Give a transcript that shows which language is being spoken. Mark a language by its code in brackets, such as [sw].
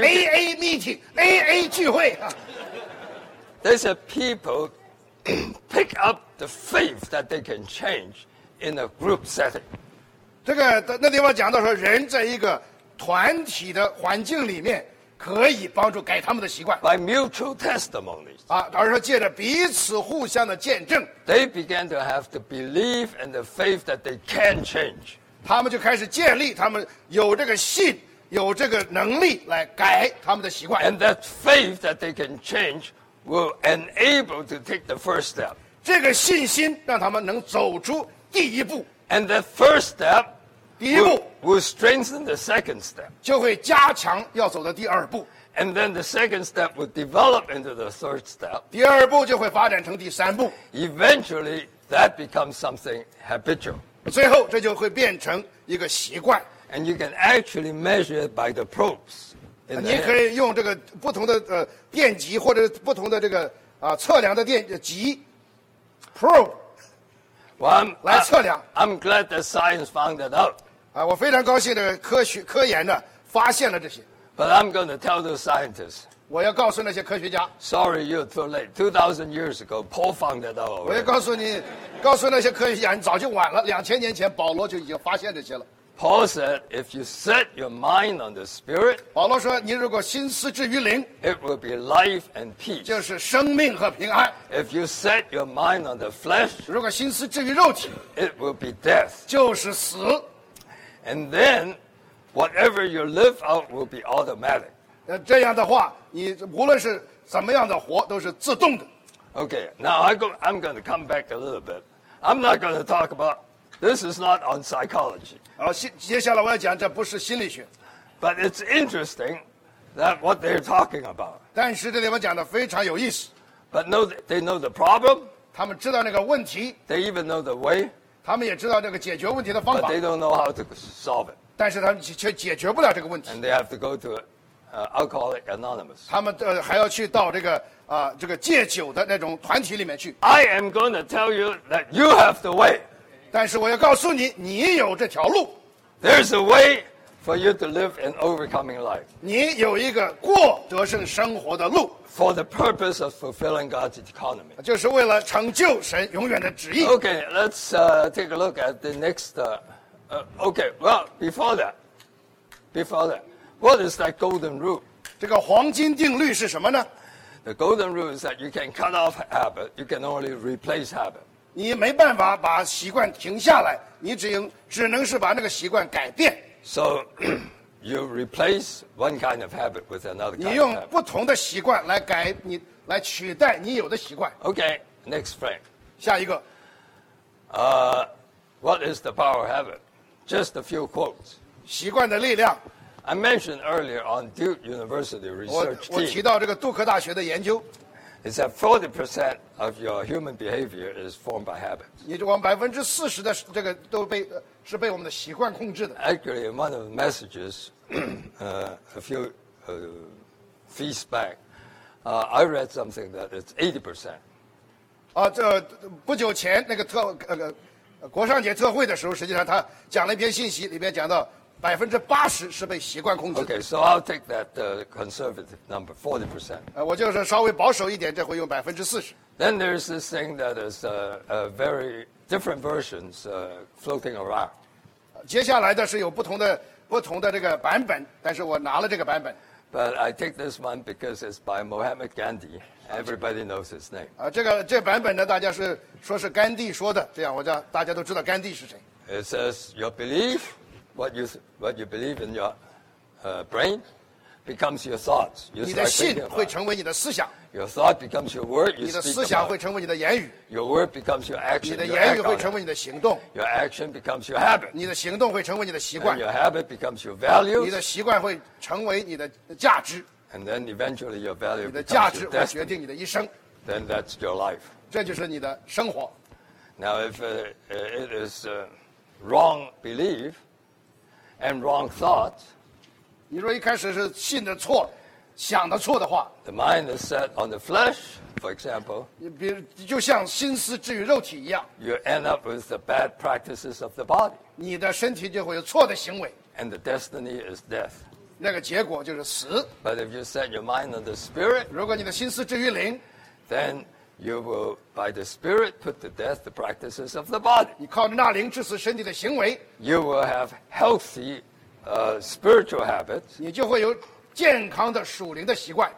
[zh] 这个下面有些东西非常重要，是从这个酗酒的那个AA聚会。 [en] They said people pick up the faith that they can change in a group setting. [zh] 那地方讲到说，人在一个团体的环境里面。可以帮助改他们的习惯。 [en] By mutual testimonies. [zh] 而是借着彼此互相的见证。 [en] They began to have the belief and the faith that they can change. [zh] 他们就开始建立，他们有这个信，有这个能力来改他们的习惯。 [en] And that faith that they can change will enable to take the first step. [zh] 这个信心让他们能走出第一步。 [en] And that first step. [zh] 第一步。 [en] Will strengthen the second step. [zh] 就会加强要走的第二步。 [en] And then the second step will develop into the third step. [zh] 第二步就会发展成第三步。 [en] Eventually, that becomes something habitual. [zh] 最后这就会变成一个习惯。 [en] And you can actually measure it by the probes. [zh] 你可以用这个不同的电极或者不同的这个测量的电极 probe. [en] Well, [zh] 来测量。 [en] I'm glad that science found that out. [zh] 我非常高兴的科研呢发现了这些。 [en] But I'm going to tell those scientists. [zh] 我要告诉那些科学家。 [en] Sorry, you're too late. 2,000 years ago, Paul found that out. [zh] 我要告诉你，告诉那些科学家，你早就晚了。2,000年前，保罗就已经发现这些了。 [en] Paul said, if you set your mind on the Spirit, [zh] 保罗说你如果心思置于灵 [en] it will be life and peace. [zh] 就是生命和平安 [en] If you set your mind on the flesh, [zh] 如果心思置于肉体 [en] it will be death. [zh] 就是死 [en] And then, whatever you live out will be automatic. [zh] 那这样的话你无论是怎么样的活都是自动的 [en] Okay, now I'm going to come back a little bit. I'm not going to talk aboutThis is not on psychology. [zh] 接下来我要讲这不是心理学。 [en] But it's interesting that what they're talking about. [zh] 但是这里面讲的非常有意思。 [en] But they know the problem. [zh] 他们知道那个问题。 [en] They even know the way. [zh] 他们也知道那个解决问题的方法。 [en] But they don't know how to solve it. [zh] 但是他们却解决不了这个问题。 [en] And they have to go to Alcoholic Anonymous. [zh] 他们还要去到这个这个戒酒的那种团体里面去。 [en] I am going to tell you that you have the way. [zh] 但是我要告诉你，你有这条路。 [en] There's a way for you to live an overcoming life. [zh] 你有一个过得胜生活的路。 [en] For the purpose of fulfilling God's economy. [zh] 就是为了成就神永远的旨意。 [en] Okay, let's take a look at the next. Before that, what is that golden rule? [zh] 这个黄金定律是什么呢 [en] ？The golden rule is that you can cut off habit, you can only replace habit. [zh] 你没办法把习惯停下来，你只能是把那个习惯改变。 [en] So you replace one kind of habit with another kind of habit. [zh] 你用不同的习惯来改你来取代你有的习惯。 [en] Okay, next frame. [zh] 下一个。 [en] What is the power of habit? Just a few quotes. [zh] 习惯的力量。 [en] I mentioned earlier on Duke University research team. [zh] 我提到这个杜克大学的研究。 [en] Is that 40% of your human behavior is formed by habits? [zh] 你这我们40%的这个都被是被我们的习惯控制的。 [en] Actually, in one of the messages, a few feedback, I read something that it's 80%. [zh] 这不久前那个国上节特会的时候，实际上他讲了一篇信息，里面讲到80%是被习惯控制的。 [en] Okay, so I'll take that conservative number, 40%. [zh] 我就是稍微保守一点，这回用40%。 [en] Then there's this thing that is very different versions floating around. [zh] 接下来的是有不同的这个版本，但是我拿了这个版本。 [en] But I take this one because it's by Mohammed Gandhi. Everybody knows his name. [zh] 这个版本呢，大家是说是甘地说的，这样我叫大家都知道甘地是谁。 [en] It says your belief. What you believe in your brain becomes your thoughts. You [zh] 你的信会成为你的思想。 [en] Your thought becomes your word. You [zh] 你的思想会成为你的言语。 [en] Your word becomes your action. [zh] 你的言语会成为你的行动。 [en] Your action becomes your habit. [zh] 你的行动会成为你的习惯。 [en] And your habit becomes your values. [zh] 你的习惯会成为你的价值。 [en] And then eventually your value becomes [zh] 你的价值会决定你的一生。 [en] Then that's your life. [zh] 这就是你的生活。 [en] Now if it is a wrong belief. And wrong thought. [zh] 你说一开始是信的错，想的错的话。 [en] The mind is set on the flesh, for example. [zh] 你比如就像心思置于肉体一样。 [en] You end up with the bad practices of the body. [zh] 你的身体就会有错的行为。 [en] And the destiny is death. [zh] 那个结果就是死。 [en] But if you set your mind on the spirit, [zh] 如果你的心思置于灵 [en] then you will, by the spirit, put to death the practices of the body. [zh] 你靠着那灵致死身体的行为。 [en] You will have healthy, spiritual habits. [zh] 你就会有健康的属灵的习惯。